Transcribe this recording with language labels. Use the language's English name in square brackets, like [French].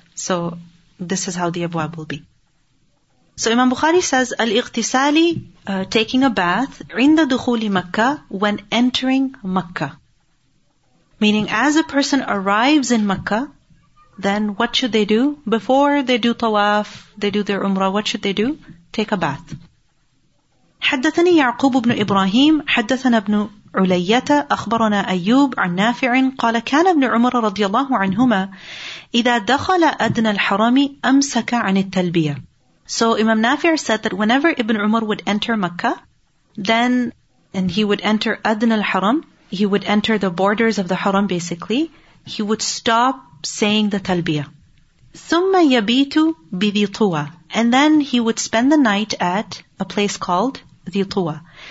[English] So this is how the abwab will be. So Imam Bukhari says, al-Ightisali, taking a bath, [Arabic] 'inda dukhuli Makkah, [English] when entering Makkah. Meaning as a person arrives in Makkah, then what should they do? Before they do tawaf, they do their umrah, what should they do? Take a bath. [Arabic] حدثني يعقوب بن إبراهيم حدثنا ابن علية أخبرنا أيوب عن نافع قال كان ابن عمر رضي الله عنهما إذا دخل أدنى الحرم أمسك عن التلبية. [English] So Imam Nafi' said that whenever Ibn Umar would enter Mecca, then, and he would enter Adn al-Haram, he would enter the borders of the Haram basically, he would stop saying the Talbiyah. [Arabic] ثُمَّ يَبِيتُ بِذِي طُوَى. [English] And then he would spend the night at a place called ذِي طُوَى.